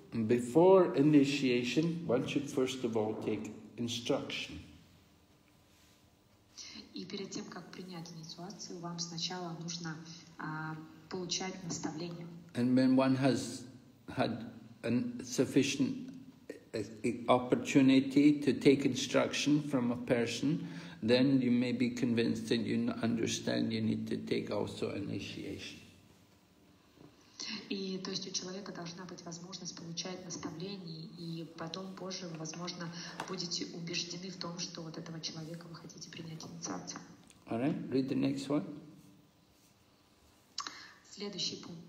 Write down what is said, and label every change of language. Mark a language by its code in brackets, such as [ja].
[en] Before initiation, one should first of all take instruction. [ru] И перед тем, как принять инициацию, вам сначала нужно получать наставление. [en] And when one has had a sufficient opportunity to take instruction from a person, then you may be convinced that you understand you need to take also initiation. [ru] И то есть у человека должна быть возможность получать наставление, и потом позже, возможно, будете убеждены в том, что вот этого человека вы хотите принять инициацию. [en] Alright, read the next one. [ru] Следующий пункт.